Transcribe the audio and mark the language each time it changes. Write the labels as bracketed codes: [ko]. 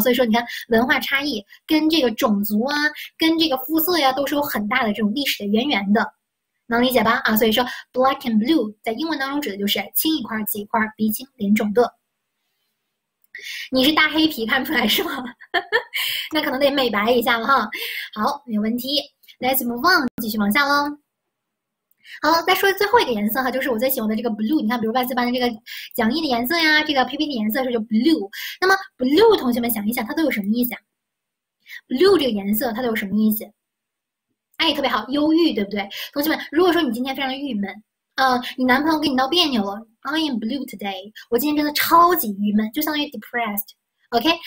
[zh] 所以说你看文化差异跟这个种族啊、跟这个肤色呀，都是有很大的这种历史的渊源的。能理解吧？啊，所以说 black and blue 在英文当中指的就是青一块、紫一块、鼻青脸肿的。你是大黑皮，看不出来是吗？那可能得美白一下了哈。好，没有问题。 [en] Let's move on， [zh] 继续往下喽。好，再说最后一个颜色哈，就是我最喜欢的这个 blue。你看，比如外资班的这个讲义的颜色呀，这个 PPT 的颜色，这就 blue。那么 blue，同学们想一想，它都有什么意思啊？blue 这个颜色，它都有什么意思？哎，特别好，忧郁，对不对？同学们，如果说你今天非常的郁闷，你男朋友跟你闹别扭了， [en] I am blue today， [zh] 我今天真的超级郁闷，就相当于 depressed，OK？